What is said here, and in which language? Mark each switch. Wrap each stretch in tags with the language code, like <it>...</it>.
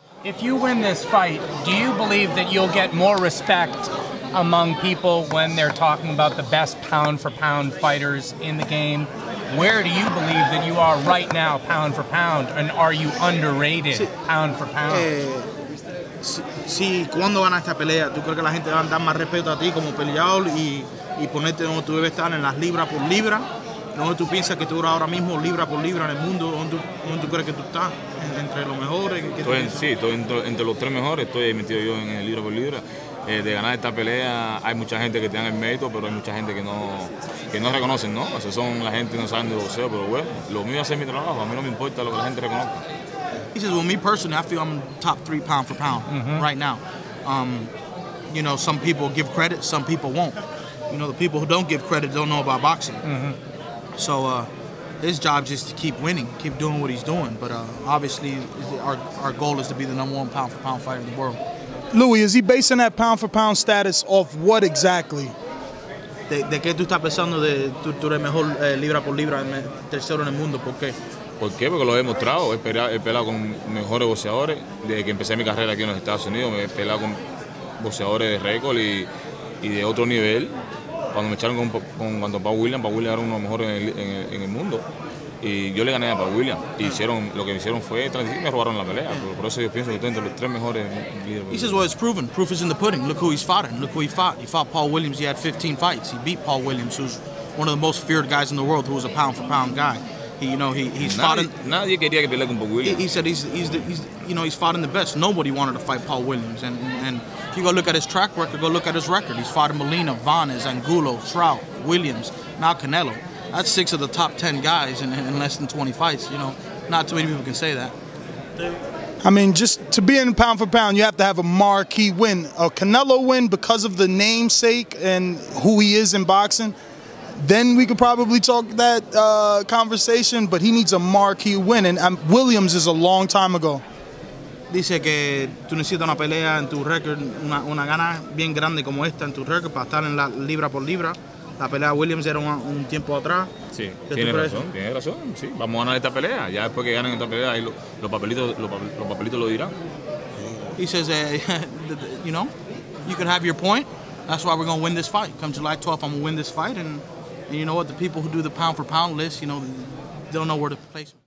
<en>If you win this fight, do you believe that you'll get more respect among people when they're talking about the best pound-for-pound fighters in the game? Where do you believe that you are right now, pound-for-pound, and are you underrated, pound-for-pound?</en> <es>Sí, ¿cuándo ganas esta pelea? ¿Tú crees que la gente va a dar más respeto a ti como peleador y ponerte donde tú debes estar en las libras por libra? ¿Dónde tú piensas que tú eres ahora mismo libra por libra en el mundo? ¿Dónde tú crees que tú estás? ¿Entre los mejores? Estoy entre los tres mejores. Estoy metido yo en el libra por libra. De ganar esta pelea, hay mucha gente que tiene el mérito, pero hay mucha gente que no reconocen, ¿no? O sea, son la gente que no saben de boxeo, pero bueno, lo mío es hacer mi trabajo. A mí no me importa lo que la gente reconozca.</es> <en>He says, well, me personally, I feel I'm top 3 pound for pound right now. You know, some people give credit, some people won't. You know, the people who don't give credit don't know about boxing. So his job is just to keep winning, keep doing what he's doing. But obviously, our goal is to be the number one pound for pound fighter in the world. Louis, is he basing that pound for pound status off what exactly?</en> <es>¿De qué tú estás pensando de tú eres mejor libra por libra tercero en el mundo? ¿Por qué? ¿Por qué? Porque lo he demostrado. He peleado con mejores boxeadores desde que empecé mi carrera aquí en los Estados Unidos. He peleado con boxeadores de récord y de otro nivel. Cuando me echaron con Pau William era uno de los mejores en el mundo. Y yo le gané a Pau William. Lo que hicieron fue transición y me robaron la pelea. Por eso yo pienso que estoy entre los tres mejores líderes.</es> <en>He says, well, it's proven. Proof is in the pudding. Look who he's fought. Look who he fought. He fought Pau Williams. He had 15 fights. He beat Pau Williams, who's one of the most feared guys in the world, who was a pound-for-pound guy. He's fought in the best. Nobody wanted to fight Pau Williams. And if you go look at his track record, go look at his record. He's fought in Molina, Vanes, Angulo, Trout, Williams, now Canelo. That's 6 of the top 10 guys in less than 20 fights. You know, not too many people can say that. I mean, just to be in pound for pound, you have to have a marquee win. A Canelo win because of the namesake and who he is in boxing. Then we could probably talk that conversation, but he needs a marquee win, and Williams is a long time ago.</en> <es>Dice que tú necesitas una pelea en tu record, una gana bien grande como esta en tu record para estar en la libra por libra. La pelea de Williams era un tiempo atrás. Sí, tiene razón. Sí, vamos a ganar esta pelea. Ya después que ganen esta pelea, ahí los papelitos lo dirán.</es> <en>He says, you know, you can have your point. That's why we're going to win this fight. Come July 12th, I'm going to win this fight. And you know what? The people who do the pound-for-pound list, you know, they don't know where to place them.</en>